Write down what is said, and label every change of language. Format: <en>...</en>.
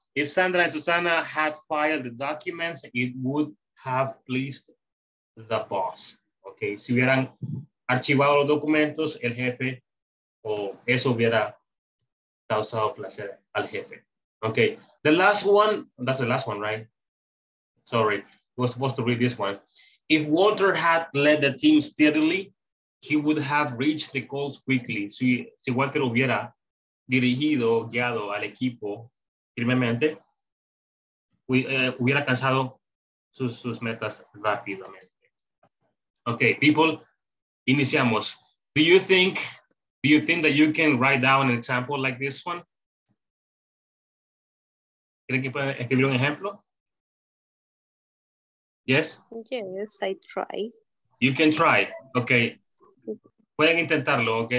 <en>If Sandra and Susana had filed the documents, it would have pleased the boss. Okay.</en> <es>Si hubieran archivado los documentos, el jefe, o eso hubiera causado placer al jefe.</es> <en>Okay. The last one, that's the last one, right? Sorry, I was supposed to read this one. If Walter had led the team steadily, he would have reached the goals quickly.</en> <es>Si Walter hubiera dirigido, guiado al equipo firmemente, hubiera alcanzado sus metas rápidamente.</es> <en>Okay, people,</en> <es>iniciamos.</es> <en>Do you think that you can write down an example like this one?</en> <es>¿Creen que pueden escribir un ejemplo?</es> <en>Yes? Yes, I try. You can try. Okay.</en> <es>Pueden intentarlo,</es> <en>okay?</en>